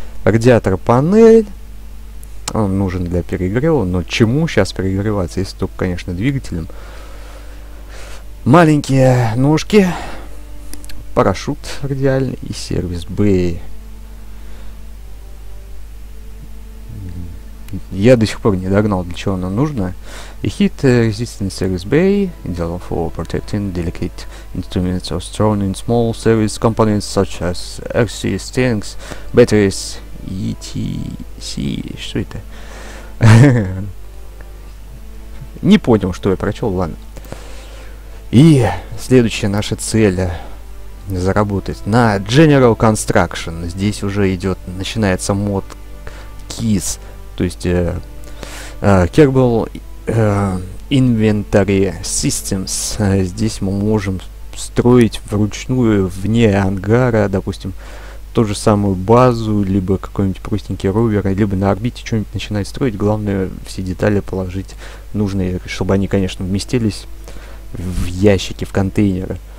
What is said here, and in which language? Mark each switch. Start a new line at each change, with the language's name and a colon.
Russian: Радиатор панель. Он нужен для перегрева, но чему сейчас перегреваться, если только, конечно, двигателем. Маленькие ножки. Парашют радиальный и сервис бэй. Я до сих пор не догнал, для чего оно нужно. И хит
English: resistance service bay, ideal for protecting delicate instruments or strong and small service components such as RC tanks, batteries, etc.
Russian: Что это? Не понял, что я прочел, ладно. И следующая наша цель — заработать на General Construction. Здесь уже идет, начинается мод KISS. То есть Kerbal Inventory Systems. Здесь мы можем строить вручную вне ангара, допустим, ту же самую базу, либо какой-нибудь простенький ровер, либо на орбите что-нибудь начинать строить. Главное все детали положить нужные, чтобы они, конечно, вместились в ящики, в контейнеры.